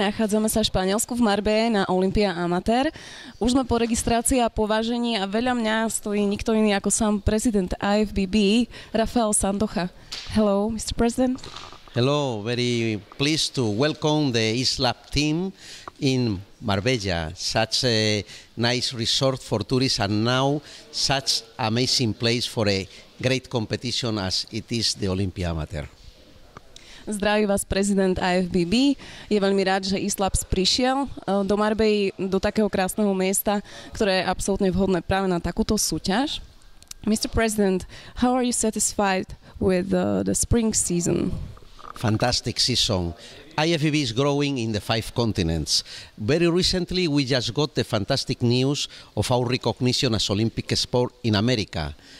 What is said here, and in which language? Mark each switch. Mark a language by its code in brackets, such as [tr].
[sk] Nachádzame sa v Španielsku v Marbelle na Olympia Amateur. Už sme po registrácii a považení a veľa mňa stojí nikto iný ako sám prezident IFBB, Rafael Sandocha. [en] Hello, Mr. President. Hello, very pleased to welcome the ISLAP team in Marbella, such a nice resort for tourists and now such amazing place for a great competition as it is the Olympia Amateur. [sk] Zdraví vás prezident IFBB. Je veľmi rád, že ISLAP prišiel do Marbelle, do takého krásneho miesta, ktoré je absolútne vhodné práve na takúto súťaž. [en] Mr. President, how are you satisfied with the spring season? Fantastic season. IFBB is growing in the five continents. Very recently, we just got the fantastic news of our recognition as Olympic sport in America.